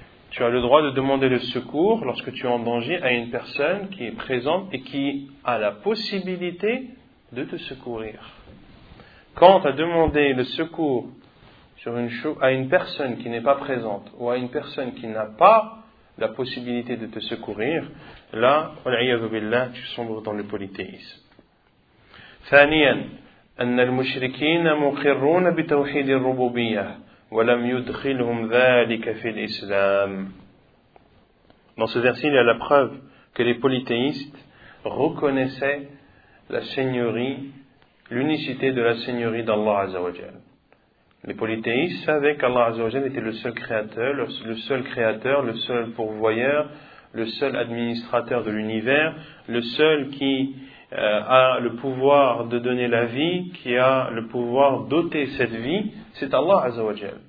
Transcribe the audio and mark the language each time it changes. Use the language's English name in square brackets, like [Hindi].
[French] Tu as le droit de demander le secours lorsque tu es en danger à une personne qui est présente et qui a la possibilité de te secourir. Quand tu as demandé le secours à une personne qui n'est pas présente ou à une personne qui n'a pas la possibilité de te secourir, là, tu sombres dans le polythéisme. [Arabic] Thaniyan. أن المشركين مقرون بتوحيد الربوبية ولم يدخلهم ذلك في الإسلام. [French] Dans ce verset, il y a la preuve que les polythéistes reconnaissaient la seigneurie, l'unicité de la seigneurie d'Allah Azzawajal. Les polythéistes savaient qu'Allah Azzawajal était le seul créateur, le seul pourvoyeur, le seul administrateur de l'univers, le seul qui a le pouvoir de donner la vie, qui a le pouvoir d'ôter cette vie, c'est Allah Azzawajal.